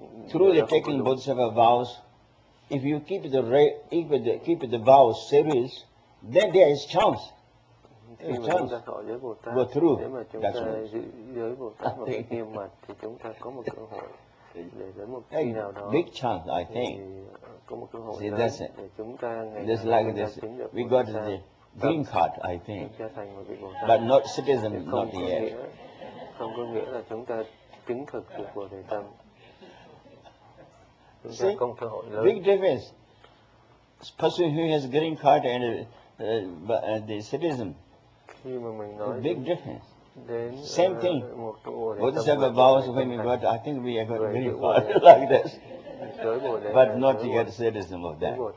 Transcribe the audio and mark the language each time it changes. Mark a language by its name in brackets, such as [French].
[English] through the taking bodhisattva vows, if you keep the vows serious, then there is chance. [Vietnamese] Khi mà chúng ta thọ giới Bồ Tát, nếu mà chúng ta giữ giới Bồ Tát một cách nghiêm mật thì chúng ta có một cơ hội để đến một khi nào đó. [English] Big chance, I think. [Vietnamese] Có một cơ hội. [English] See, that's it. [Vietnamese] Chúng ta ngày [English] just like this. We got the green card, I think. But not citizen, not yet. [Vietnamese] Không có nghĩa là chúng ta chứng thực được Bồ Đề Tâm. [English] See, big difference. A person who has green card and the citizen. Big difference. Same thing. Bodhisattva vows when we got, I think we got very far like this. But not to get citizen of that.